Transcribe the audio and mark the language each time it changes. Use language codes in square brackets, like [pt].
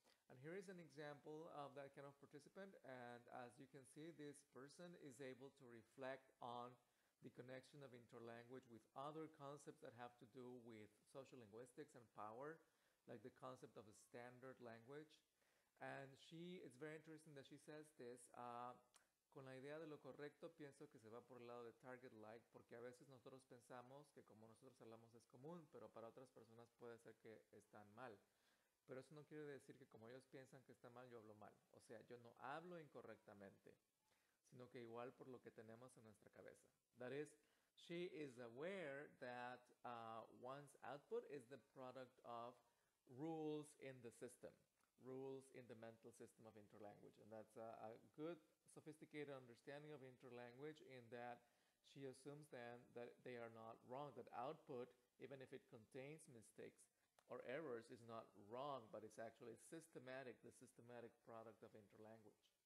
[en] And here is an example of that kind of participant, and as you can see, this person is able to reflect on the connection of interlanguage with other concepts that have to do with social linguistics and power, like the concept of a standard language. And she, it's very interesting that she says this, [es] con la idea de lo correcto pienso que se va por el lado de target like, porque a veces nosotros pensamos que como nosotros hablamos es común, pero para otras personas puede ser que están mal. Pero eso no quiere decir que como ellos piensan que está mal, yo hablo mal. O sea, yo no hablo incorrectamente, sino que igual por lo que tenemos en nuestra cabeza. [en] That is, she is aware that one's output is the product of rules in the system, rules in the mental system of interlanguage. And that's a good, sophisticated understanding of interlanguage, in that she assumes then that they are not wrong, that output, even if it contains mistakes or errors, is not wrong, but it's actually systematic, the systematic product of interlanguage.